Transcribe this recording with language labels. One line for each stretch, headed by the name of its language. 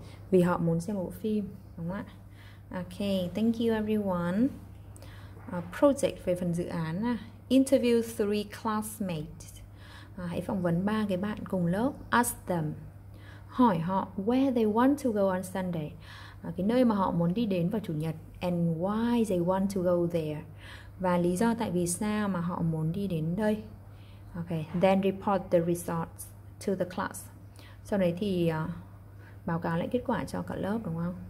Vietnamese: Vì họ muốn xem một phim, đúng không ạ?
English: Okay, thank you everyone. Project
Vietnamese: về phần dự án.
English: Interview 3 classmates.
Vietnamese: Hãy phỏng vấn 3 cái bạn cùng lớp.
English: Ask them.
Vietnamese: Hỏi họ
English: where they want to go on Sunday.
Vietnamese: Cái nơi mà họ muốn đi đến vào chủ nhật.
English: And why they want to go there.
Vietnamese: Và lý do tại vì sao mà họ muốn đi đến đây. Okay.
English: Then report the results to the class.
Vietnamese: Sau đấy thì báo cáo lại kết quả cho cả lớp, đúng không?